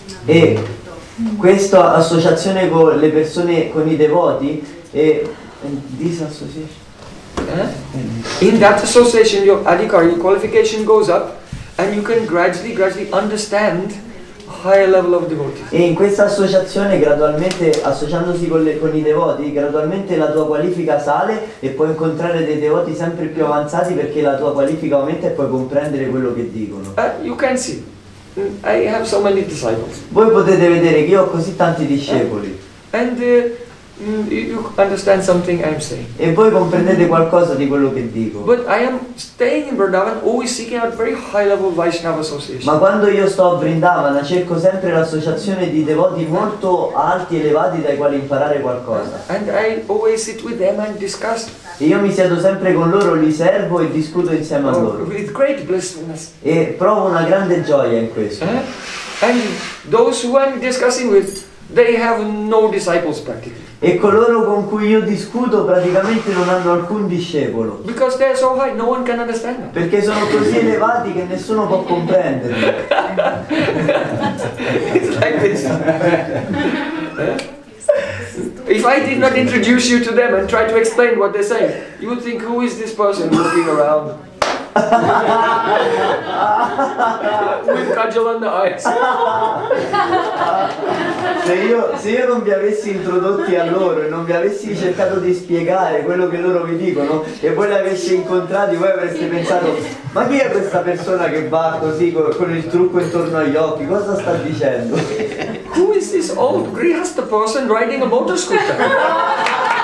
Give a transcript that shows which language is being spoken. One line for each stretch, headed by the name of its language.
Italian: E questa associazione con le persone, con i devoti, e disassociazione.
English: In that association, your adhikara, your qualification goes up, and you can gradually understand a higher level of devotees.
Italian: E in questa associazione, gradualmente, associandosi con i devoti, gradualmente la tua qualifica sale e puoi incontrare dei devoti sempre più avanzati perché la tua qualifica aumenta e puoi comprendere quello che dicono.
English: You can see, I have so many disciples.
Italian: Voi potete vedere che io ho così tanti discepoli.
English: You understand something I'm saying.
Italian: E voi comprendete qualcosa di quello che dico.
English: But I am staying in Vrindavan, always seeking out very high level Vaishnava association.
Italian: Ma quando io sto a Vrindavana cerco sempre l'associazione di devoti molto alti, elevati, dai quali imparare qualcosa.
English: And I always sit with them and discuss
Italian: io mi siedo sempre con loro, li servo e discuto insieme a loro.
English: With great blissfulness.
Italian: E provo una grande gioia in questo.
English: And those who I'm discussing with, they have no disciples practically.
Italian: E coloro con cui io discuto praticamente non hanno alcun discepolo.
English: Because they are so high, no one can understand them.
Italian: Perché sono così elevati che nessuno può comprendere.
English: It's like this. If I did not introduce you to them and try to explain what they say, you would think, who is this person looking around? With cudgel on the eyes.
Italian: Se io non vi avessi introdotti a loro e non vi avessi cercato di spiegare quello che loro mi dicono e voi li avessi incontrati, voi avreste pensato, ma chi è questa persona che va così con il trucco intorno agli occhi? Cosa sta dicendo?
English: Who is this old grihasta person riding a motor scooter?